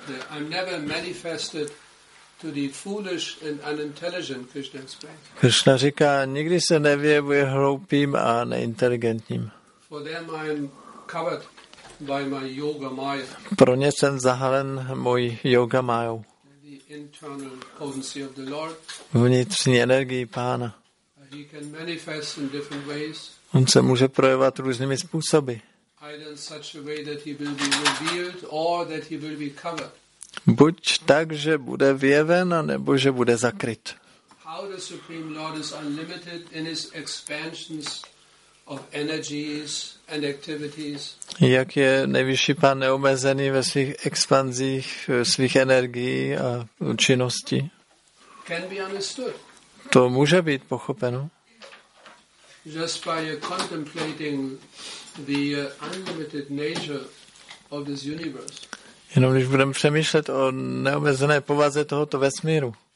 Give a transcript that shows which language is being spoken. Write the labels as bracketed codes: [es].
[en] I'm never manifested to the foolish and unintelligent, Krishna explains. [cs] Krishna říká, nikdy se nevyjevuje hloupým a neinteligentním. [en] For them I am covered by my yoga maya. [cs] Pro ně jsem zahalen mojí yoga mayou. [en] The internal potency of the Lord. [cs] Vnitřní energii Pána. [en] He can manifest in different ways. [cs] On se může projevovat různými způsoby. [en] Either in such a way that he will be revealed or that he will be covered. [cs] Buď tak, že bude vyjeven, nebo že bude zakryt. [en] How the Supreme Lord is unlimited in his expansions of energies and activities. [cs] Jak je nejvyšší Pán neomezený ve svých expanzích svých energií a činnosti. [en] Can be understood. [cs] To může být pochopeno. [en] Just by contemplating the unlimited nature of this universe. [cs] Jenom když budeme přemýšlet o neomezené povaze tohoto vesmíru.